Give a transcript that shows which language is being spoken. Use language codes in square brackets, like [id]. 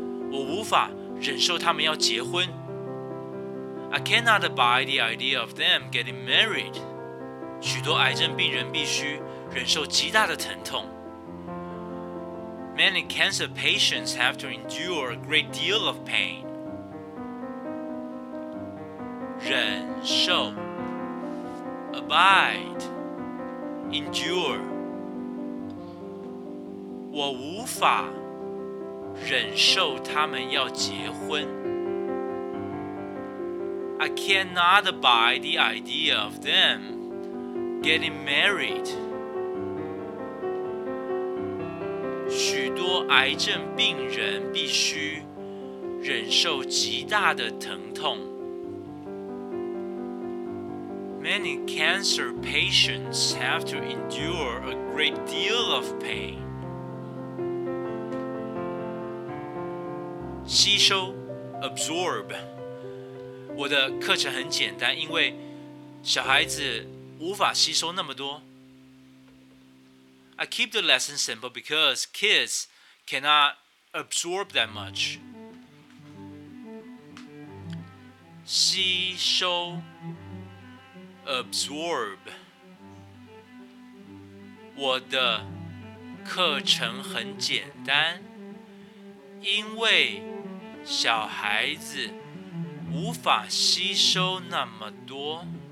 [zh] 我无法忍受他们要结婚。 [en] I cannot abide the idea of them getting married. [zh] 许多癌症病人必须忍受极大的疼痛。 [en] Many cancer patients have to endure a great deal of pain. [zh] 忍受 Abide Endure 我无法忍受他们要结婚。 [en] I cannot abide the idea of them getting married. [zh] 许多癌症病人必须忍受极大的疼痛。 [en] Many cancer patients have to endure a great deal of pain. [zh] 吸收 absorb. 我的课程很简单，因为小孩子无法吸收那么多。 [en] I keep the lesson simple because kids cannot absorb that much. [zh] 吸收 absorb 我的课程很简单，因为小孩子无法吸收那么多。